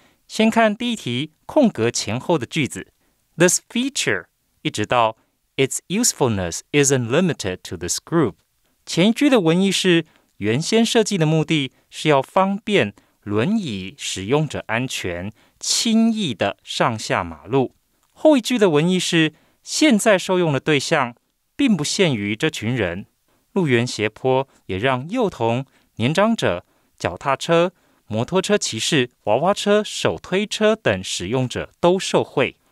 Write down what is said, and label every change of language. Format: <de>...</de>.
<zh>先看第一题空格前后的句子。</zh> <en>This feature,</en> <zh>一直到</zh> <en>its usefulness isn't limited to this group.</en> <zh>前一句的文意是原先设计的目的是要方便轮椅使用者安全轻易的上下马路。后一句的文意是现在受用的对象并不限于这群人。路缘斜坡也让幼童、年长者、脚踏车、摩托车骑士、娃娃车、手推车等使用者都受惠。</zh>